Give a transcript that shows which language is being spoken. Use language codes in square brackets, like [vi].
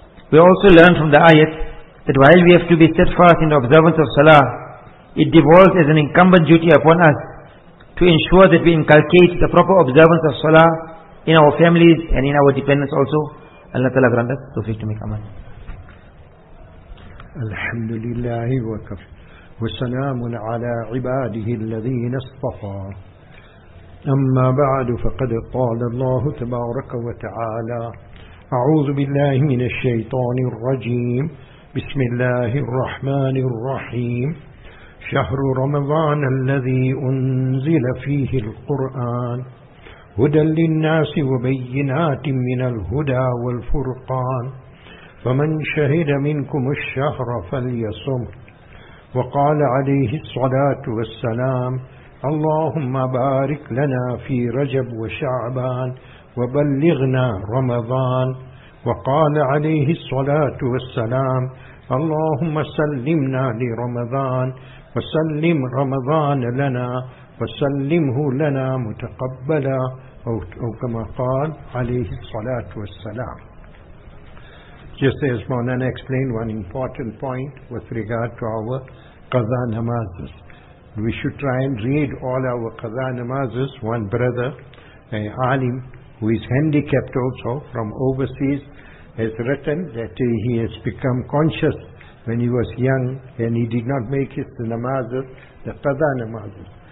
[en] We also learn from the ayat that while we have to be steadfast in the observance of salah, it devolves as an incumbent duty upon us to ensure that we inculcate the proper observance of salah in our families and in our dependents also. Allah Ta'ala grant us tawfiq to make aman. [ar] Alhamdulillahi wa kafir. وسلام على عباده الذين اصطفى أما بعد فقد قال الله تبارك وتعالى أعوذ بالله من الشيطان الرجيم بسم الله الرحمن الرحيم شهر رمضان الذي أنزل فيه القرآن هدى للناس وبينات من الهدى والفرقان فمن شهد منكم الشهر فليصم وقال عليه الصلاة والسلام اللهم بارك لنا في رجب وشعبان وبلغنا رمضان وقال عليه الصلاة والسلام اللهم سلمنا لرمضان وسلم رمضان لنا وسلمه لنا متقبلا أو كما قال عليه الصلاة والسلام. [en] Just as Maulana explained one important point with regard to our qaza namazes. We should try and read all our qaza namazes. One brother, an alim, who is handicapped also from overseas, has written that he has become conscious when he was young and he did not make his namazes, the qaza namazes.